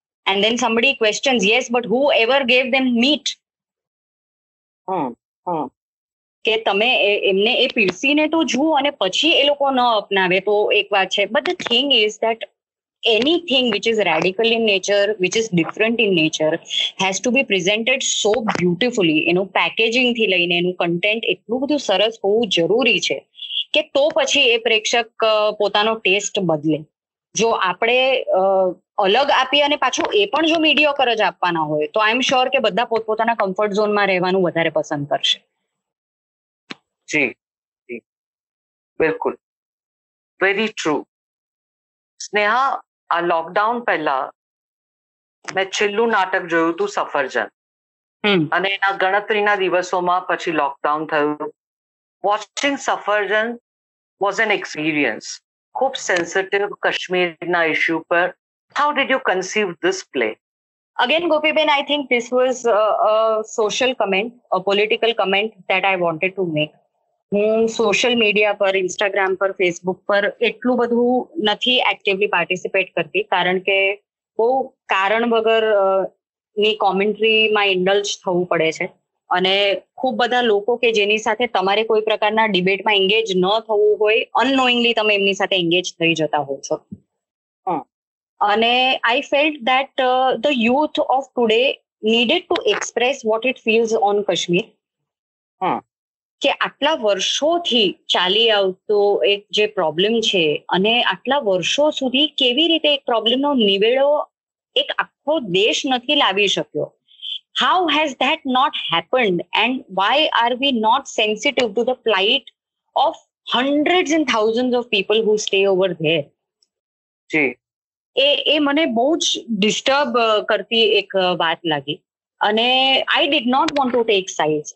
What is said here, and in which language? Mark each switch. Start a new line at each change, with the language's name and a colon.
English: And then somebody questions, yes, but who ever gave them meat?
Gujarati: કે તમે એમને એ પીરસીને તો જુઓ અને પછી એ લોકો ન અપનાવે તો એક વાત છે,
English: But the thing is that anything which is radical in nature, which is different in nature, has to be presented so beautifully.
Gujarati: એનું પેકેજિંગથી લઈને એનું કન્ટેન્ટ એટલું બધું સરસ હોવું જરૂરી છે કે તો પછી એ પ્રેક્ષક પોતાનો ટેસ્ટ બદલે. જો આપણે અલગ આપીએ અને પાછું એ પણ જો મીડિયોકર જ આપવાના હોય તો
English: I am sure
Gujarati: કે બધા પોતપોતાના કમ્ફર્ટ ઝોનમાં રહેવાનું વધારે પસંદ કરશે. જી જી, બિલકુલ,
English: Very true.
Gujarati: સ્નેહા, આ લોકડાઉન પહેલા મેં છેલ્લું નાટક જોયું હતું સફરજન, અને એના ગણતરીના દિવસોમાં પછી લોકડાઉન થયું.
English: watching Safarjan was an experience,
Gujarati: ખૂબ સેન્સિટિવ કાશ્મીરના ઇશ્યુ પર.
English: How did you conceive this play? Again, Gopiben, I think this was a social comment, a political comment that I wanted to make.
Gujarati: હું સોશિયલ મીડિયા પર, Instagram પર, Facebook પર એટલું બધું નથી એક્ટિવલી પાર્ટિસિપેટ કરતી કારણ કે બહુ કારણ વગર ની કોમેન્ટ્રીમાં ઇન્ડલ્જ થવું પડે છે, અને ખૂબ બધા લોકો કે જેની સાથે તમારે કોઈ પ્રકારના ડિબેટમાં એન્ગેજ ન થવું હોય, અનનોઇંગલી તમે એમની સાથે એન્ગેજ થઈ જતા હો છો. અને
English: I felt that the youth of today needed to express what it feels on Kashmir,
Gujarati: કે આટલા વર્ષોથી ચાલી આવતો એક જે પ્રોબ્લેમ છે, અને આટલા વર્ષો સુધી કેવી રીતે એક પ્રોબ્લેમનો નિવેડો એક આખો દેશ નથી લાવી શક્યો.
English: How has that not happened? And why are we not sensitive to the plight of hundreds and thousands of people who stay over there?
Gujarati: Ji. E mane bahut disturb karti ek baat lagi.
English: Ane I did not want to take sides.